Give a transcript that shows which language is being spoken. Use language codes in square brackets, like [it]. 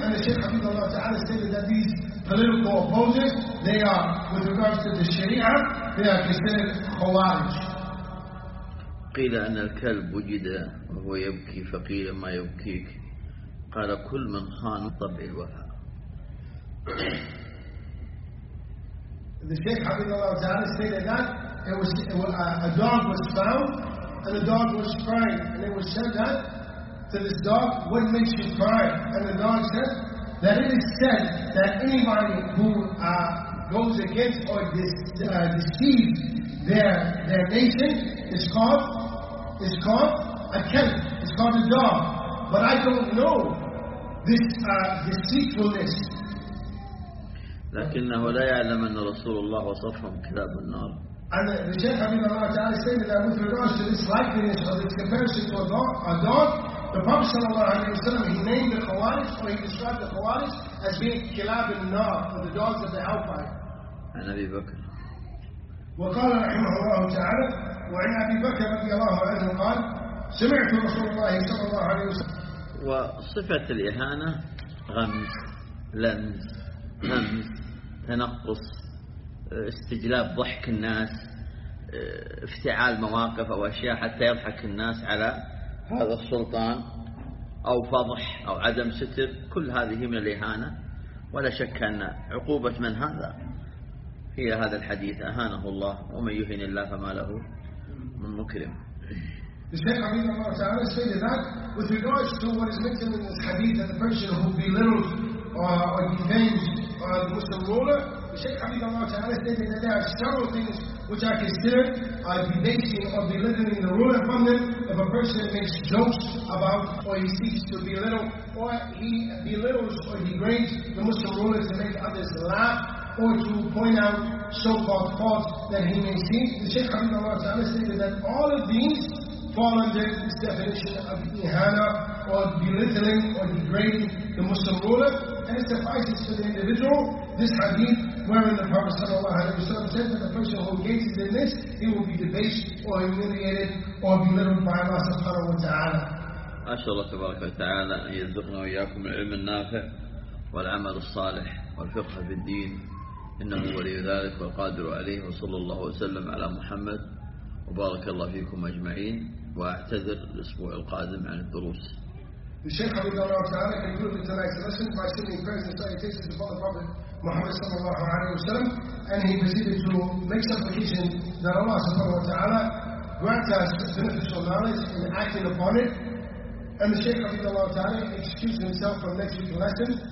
[en] And the Shaykh Habibullah Ta'ala stated that these political opponents, they are, with regards to the Sharia, they are considered Khawarij. [ar] قيل أن الكلب وجد وهو يبكي، فقيل ما يبكيك؟ قال كل من خان طبع الوفاء. [en] The Shaykh Habibullah Ta'ala stated that a dog was found and the dog was crying, and it was said that to this dog, what makes you cry? And the dog said that it is said that anybody who goes against or deceives their nation is called a kelp, it's called a dog. But I don't know deceitfulness. [ar] لكنه لا يعلم أن رسول الله وصفهم كلاب النار. [en] And the Shaykh Habib Allah Ta'ala said that with regards to this likeness or this comparison to a dog, the Prophet sallallahu alayhi wa sallam, he named the Khawarij, or he described the Khawarij as being kilab al-nar, for the dogs of the hellfire. And Abi Bakr. [ar] وَقَالَ رَحِمَهُ اللَّهُ تَعَالَى وَعِنْ أَبِي بَكَرَ رَضِيَ اللَّهُ عَنْهُ قَالَ سَمِعْتُ رَسُولَ اللَّهِ صَلَّى اللَّهُ عَلَيْهِ وَسَلَّمَ. وصفة الإهانة غمز، لمز، همز، تنقص، استجلاب ضحك الناس، افتعال مواقف أو أشياء حتى يضحك الناس على هذا السلطان، أو فضح أو عدم ستر، كل هذه من الإهانة. ولا شك أن عقوبة من هذا هي هذا الحديث، أهانه الله، ومن يهن الله فما له من مكرم. [en] The Shaykh Abid Allah Ta'ala stated that with regards to what is mentioned in this hadith that the person who belittles or defames the Muslim ruler, the Shaykh Abid Allah Ta'ala stated that there are several things which are considered debasing or belittling the ruler from them. If a person makes jokes about, or he seeks to belittle, or he belittles or degrades the Muslim ruler to make others laugh, or to point out so-called faults that he may see, the Shaykh Abid Allah Ta'ala stated that all of these fall under this definition of ihana, or belittling or degrading the Muslim ruler. And it suffices for the individual, this hadith, wherein the Prophet sallallahu alayhi wa sallam said that the person who engages in this, he will be debased or humiliated or belittled by Allah subhanahu wa ta'ala. [ar] أسأل الله تبارك وتعالى أن يرزقنا وإياكم العلم النافع والعمل الصالح والفقه في الدين، إنه ولي ذلك والقادر عليه، وصلى الله وسلم على محمد، وبارك الله فيكم أجمعين، وأعتذر الأسبوع القادم عن الدروس. [en] The Shaykh Abid Allah Ta'ala concluded tonight's lesson by sending prayers and salutations to the Prophet Muhammad sallallahu alayhi wa sallam, and he proceeded to make supplication that Allah subhanahu wa ta'ala grant us beneficial knowledge in acting upon it. And the Shaykh Abid Allah Ta'ala excused himself from next week's lesson.